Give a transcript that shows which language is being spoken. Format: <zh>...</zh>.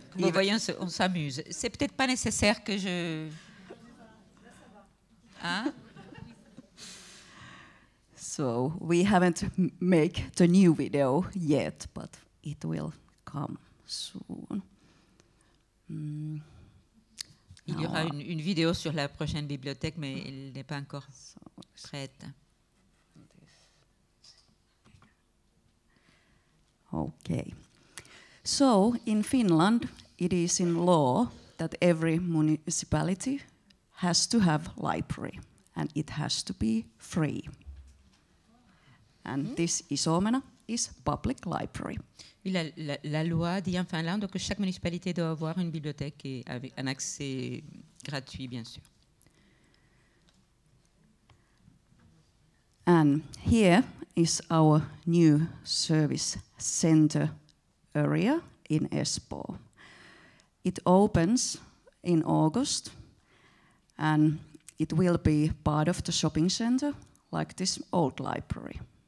<fr>Vous voyez, on s'amuse. C'est peut-être pas nécessaire que je... Hein?</fr> <en>So we haven't made the new video yet, but it will come soon.</en> <fr>Il y aura une vidéo sur la prochaine bibliothèque, mais elle n'est pas encore prête.</fr> <en>Okay. So in Finland, it is in law that every municipality has to have library, and it has to be free. And this Isomena is public library.</en> <fr>La loi dit en Finlande que chaque municipalité doit avoir une bibliothèque et avec un accès gratuit, bien sûr.</fr> <en>And here is our new service center area in Espoo. It opens in August, and it will be part of the shopping center, like this old library.</en>